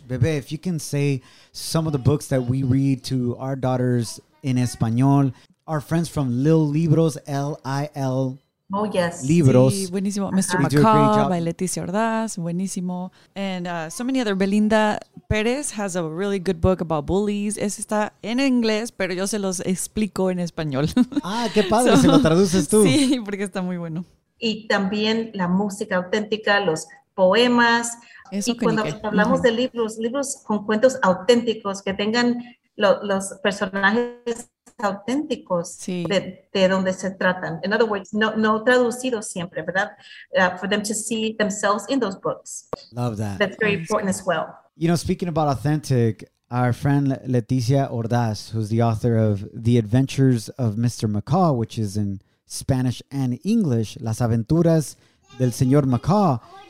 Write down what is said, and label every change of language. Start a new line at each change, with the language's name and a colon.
English: Bebe, if you can say some of the books that we read to our daughters in Espanol, our friends from Lil Libros, L-I-L. Oh, yes.
Spanish: Libros. Sí, buenísimo. Mr. McCall by Leticia Ordaz. Buenísimo.
English: And so many other. Belinda Perez has a really good book about bullies.
Spanish: Ese está en inglés, pero yo se los explico en español. Ah, qué padre. Si lo traduces tú. Sí, porque está muy bueno. Y también la música auténtica, los poemas. Eso y cuando hablamos de libros con cuentos auténticos, que tengan los personajes auténticos de donde se tratan.
English: In other words,
Spanish: no traducidos siempre, ¿verdad?
English: For them to see themselves in those books. Love that. That's very important as well. You know, speaking about authentic, our friend Leticia Ordaz, who's the author of The Adventures of Mr. McCall, which is in Spanish and English, Las Aventuras del Señor McCall.